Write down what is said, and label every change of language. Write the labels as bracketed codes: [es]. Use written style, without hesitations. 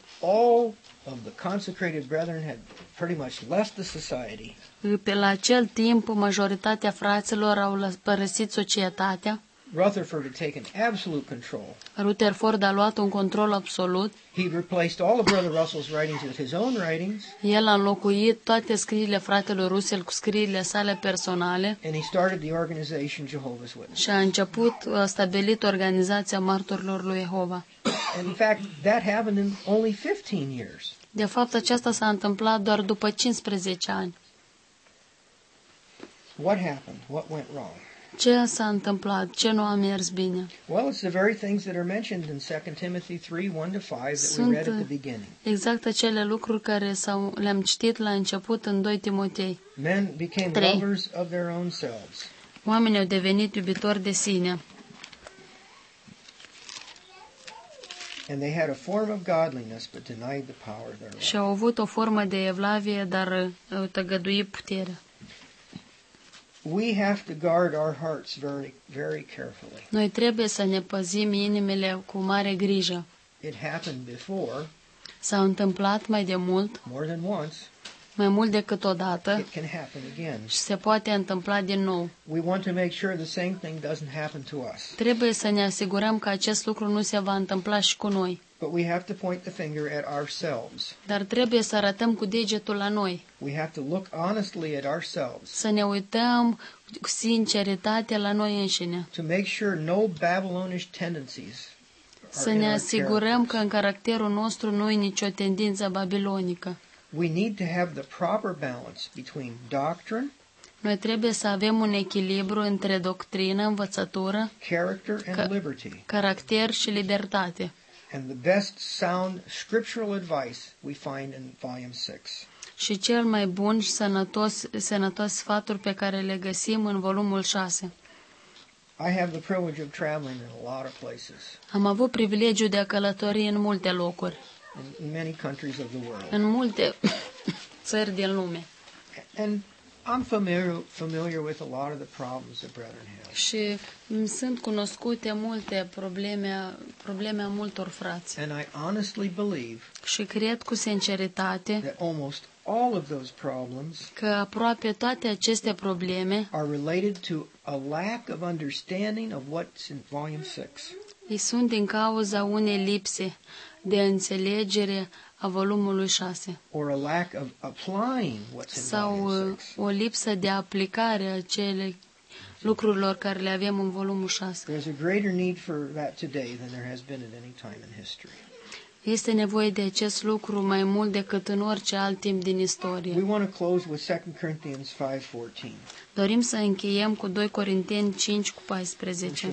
[en] all of the consecrated brethren had pretty much left the society. [ro] Pe la acel timp, majoritatea fraților au părăsit societatea. [en] Rutherford had taken absolute control. [ro] Rutherford a luat un control absolut. [en] He replaced all of Brother Russell's writings with his own writings. [ro] El a înlocuit toate scrierile fratelui Russell cu scrierile sale personale. [en] And he started the organization Jehovah's Witnesses. [ro] Și a început, a stabilit organizația martorilor lui Jehova. [en] And in fact, that happened in only 15 years. [ro] De fapt, aceasta s-a întâmplat doar după 15 ani. [en] What happened? What went wrong? [ro] Ce s-a întâmplat? Ce nu a mers bine? [en] Well, it's the very things that are mentioned in 2 Timothy 3, 1-5 that [ro] sunt [en] we read at the beginning. [ro] Exact acele lucruri care le-am citit la început în 2 Timotei 3. [en] Men became lovers of their own selves. [ro] Oamenii au devenit iubitori de sine. [en] And they had a form of godliness but denied the power thereof. [ro] Și au avut o formă de evlavie, dar au tăgăduit puterea. [en] We have to guard our hearts very, very carefully. [ro] Noi trebuie să ne păzim inimile cu mare grijă. [en] It happened before. [ro] S-a întâmplat mai de mult. [en] More than once. [ro] Mai mult decât o dată. [en] It can happen again. [ro] Și se poate întâmpla din nou. [en] We want to make sure the same thing doesn't happen to us. [ro] Trebuie să ne asigurăm că acest lucru nu se va întâmpla și cu noi. [en] But we have to point the finger at ourselves. [ro] Dar trebuie să arătăm cu degetul la noi. [en] We have to look honestly at ourselves. [ro] Să ne uităm cu sinceritate la noi înșine. [en] To make sure no Babylonish tendencies. [ro] Să ne asigurăm că în caracterul nostru nu e nicio tendință babilonică. [en] We need to have the proper balance between doctrine. [ro] Noi trebuie să avem un echilibru între doctrină, învățătură, [en] character and liberty. [ro] Caracter și libertate. [en] And the best sound scriptural advice we find in volume 6. [ro] Și cel mai bun și sănătos sfaturi pe care le găsim în volumul 6. [en] I have the privilege of traveling in a lot of places. [ro] Am avut privilegiul de a călători în multe locuri. [en] In many countries of the world. [ro] În multe țări din lume. [en] And I'm familiar with a lot of the problems that brethren have. [ro] Și sunt cunoscute multe probleme a multor frați. [en] And I honestly believe. [ro] Și cred cu sinceritate. [en] That almost all of those problems. [ro] Că aproape toate aceste probleme. [en] Are related to a lack of understanding of what's in volume 6. [ro] Ei sunt din cauza unei lipse de înțelegere a volumului 6. [en] Or a lack of applying what's in [ro] sau [en] volume 6. [ro] O lipsă de aplicare a acelei lucrurilor care le avem în volumul 6. [en] There's a greater need for that today than there has been at any time in history. [ro] Este nevoie de acest lucru mai mult decât în orice alt timp din istorie. [en] We want to close with 2 Corinthians 5:14. [ro] Dorim să încheiem cu 2 Corinteni 5:14.